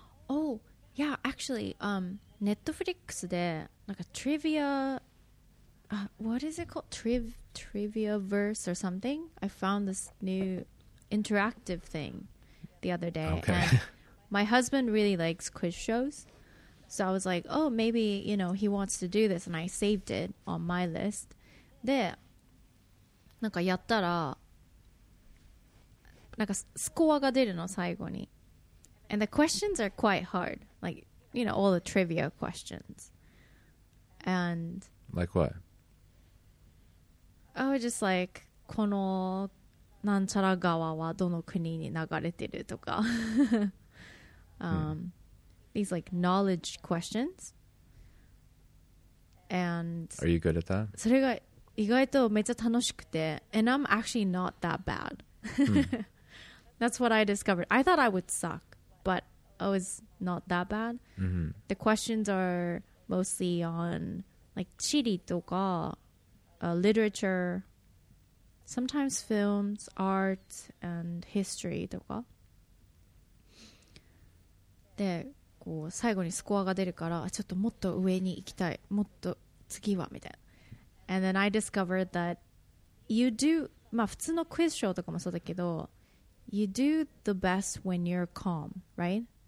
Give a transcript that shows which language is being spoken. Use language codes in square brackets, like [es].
[en] Oh, yeah, actually, Netflix de like a trivia, what is it called? Triviaverse or something. I found this new interactive thing the other day. Okay. And my husband really likes quiz shows. So I was like, oh, maybe, you know, he wants to do this. And I saved it on my list. [ja] で、なんかやったら、なんかスコアが出るの最後に。 [en] And the questions are quite hard, like, you know, all the trivia questions. And like what? Oh, just like [ja] このなんちゃら川はどの国に流れてるとか。 [en] These like knowledge questions. And are you good at that? [ja] それが意外とめっちゃ楽しくて [en] And I'm actually not that bad. That's what I discovered. I thought I would suck, but I was not that bad. Mm-hmm. The questions are mostly on like 地理とか literature, sometimes films, art, and history とか。 [ja] で、こう最後にスコアが出るから、ちょっともっと上に行きたい、もっと次はみたいな。 [en] And then I discovered that you do, [ja] まあ普通のクイズショーとかもそうだけど、 [en] you do the best when you're calm, right?、